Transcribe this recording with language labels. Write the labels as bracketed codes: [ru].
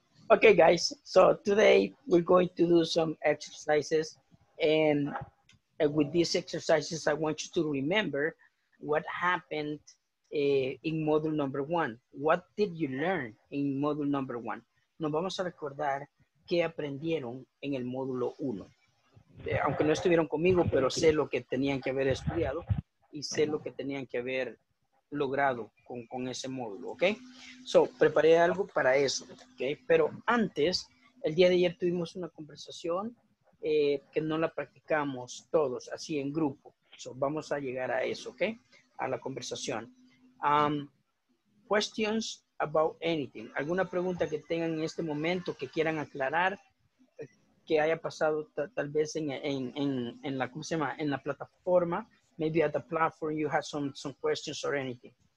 [en] Okay, guys, so today we're going to do some exercises, and with these exercises I want you to remember what happened in module number one. What did you learn in module number one? [es] Nos vamos a recordar qué aprendieron en el módulo uno. Aunque no estuvieron conmigo, pero sé lo que tenían que haber estudiado y sé lo que tenían que haber logrado con ese módulo, ¿ok? So, preparé algo para eso, ¿ok? Pero antes, el día de ayer tuvimos una conversación que no la practicamos todos, así en grupo. So, vamos a llegar a eso, ¿ok? A la conversación. [en] Questions about anything. [es] ¿Alguna pregunta que tengan en este momento que quieran aclarar? Que haya pasado tal vez en la, ¿cómo se llama? En la plataforma. [en] Maybe at the platform you have some questions or anything.